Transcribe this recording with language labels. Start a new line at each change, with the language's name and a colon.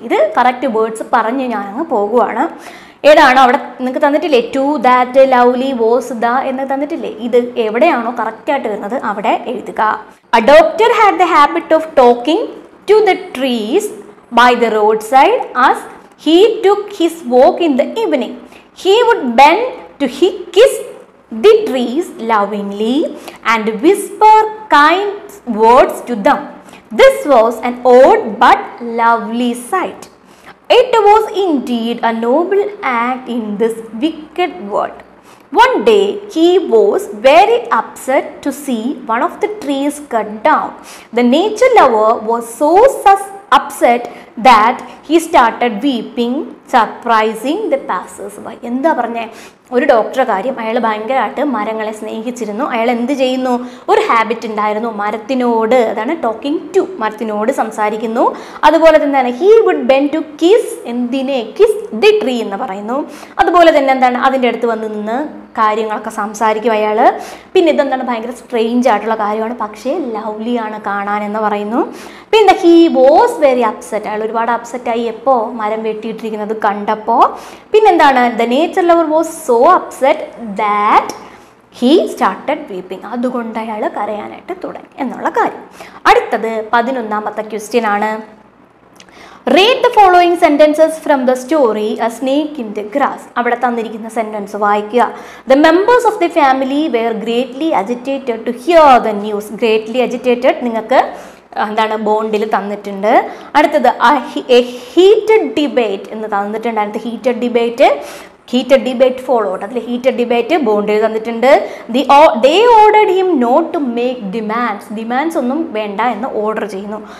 Malayalam: ഇത് correct words പറഞ്ഞ് ഞാൻ അങ്ങ് പോകുവാണ്. ഏതാണോ അവിടെ നിങ്ങൾക്ക് തന്നിട്ടില്ലേ, to, that, lovely, was, the എന്ന് തന്നിട്ടില്ലേ, ഇത് എവിടെയാണോ കറക്റ്റായിട്ട് വരുന്നത് അവിടെ എഴുതുക.
English: A doctor had the habit of talking to the trees by the road side as He took his walk in the evening. He would bend to kiss the trees lovingly and whisper kind words to them. This was an odd but lovely sight. It was indeed a noble act in this wicked world. One day he was very upset to see one of the trees cut down. The nature lover was so upset that he started weeping, surprising the passers-by.
Malayalam: എന്താ പറഞ്ഞത്? ഒരു doctor കാര്യം, അയാൾ ഭയങ്കരമായിട്ട് മരങ്ങളെ സ്നേഹിച്ചിരുന്നു. അയാൾ എന്ത് ചെയ്യുന്നു? ഒരു ഹാബിറ്റ് ഉണ്ടായിരുന്നു മരത്തിനോട്, അതാണ്
English: talking to,
Malayalam: മരത്തിനോട് സംസാരിക്കുന്നു. അതുപോലെ തന്നെ
English: he would bend to kiss
Malayalam: എന്തിനെ,
English: kiss the tree
Malayalam: എന്ന് പറയുന്നു. അതുപോലെ തന്നെ എന്താണ്, അതിൻ്റെ അടുത്ത് വന്ന് നിന്ന് കാര്യങ്ങളൊക്കെ സംസാരിക്കും അയാൾ. പിന്നെ ഇതെന്താണ്, ഭയങ്കര സ്ട്രെയിഞ്ച് ആയിട്ടുള്ള കാര്യമാണ്, പക്ഷേ ലവ്ലിയാണ് കാണാൻ എന്ന് പറയുന്നു. പിന്നെ
English: he was very upset,
Malayalam: അയാൾ ഒരുപാട് അപ്സെറ്റായി എപ്പോൾ മരം വെട്ടിയിട്ടിരിക്കുന്നത് കണ്ടപ്പോൾ.
English: പിന്നെന്താണ്, the nature lover was so upset that he started weeping,
Malayalam: അതുകൊണ്ട് അയാൾ കരയാനായിട്ട് തുടങ്ങി എന്നുള്ള കാര്യം. അടുത്തത് 11-ാമത്തെ ക്വസ്റ്റ്യൻ ആണ്.
English: Read the following sentences from the story A Snake in the Grass.
Malayalam: അവിടെ തന്നിരിക്കുന്ന സെൻറ്റൻസ് വായിക്കുക.
English: The members of the family were greatly agitated to hear the news. Greatly agitated,
Malayalam: നിങ്ങൾക്ക് എന്താണ് ബോണ്ടിൽ തന്നിട്ടുണ്ട്. അടുത്തത് എ ഹീറ്റഡ് ഡിബേറ്റ് എന്ന് തന്നിട്ടുണ്ട്. അടുത്ത heated debate, heated debate follow out, അതിൽ ഹീറ്റഡ് ഡിബേറ്റ് ബോണ്ടിൽ തന്നിട്ടുണ്ട്.
English: the they ordered him not to make demands,
Malayalam: demands ഒന്നും വേണ്ട എന്ന് ഓർഡർ ചെയ്യുന്നു.